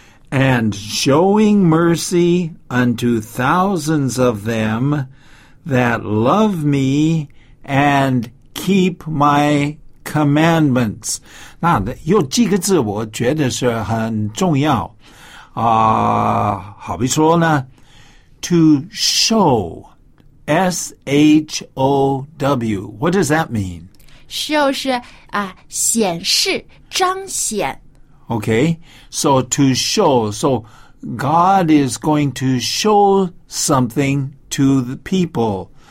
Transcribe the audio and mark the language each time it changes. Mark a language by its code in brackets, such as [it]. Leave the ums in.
[en] and showing mercy unto thousands of them that love me and keep my commandments. [zh] 那有几个字，我觉得是很重要啊。 Uh, 好比说呢， [en] to show。 S show, S H O W. What does that mean? [zh] Show 是啊，uh, 显示、彰显。 [en] Okay, so to show, so God is going to show something to the people.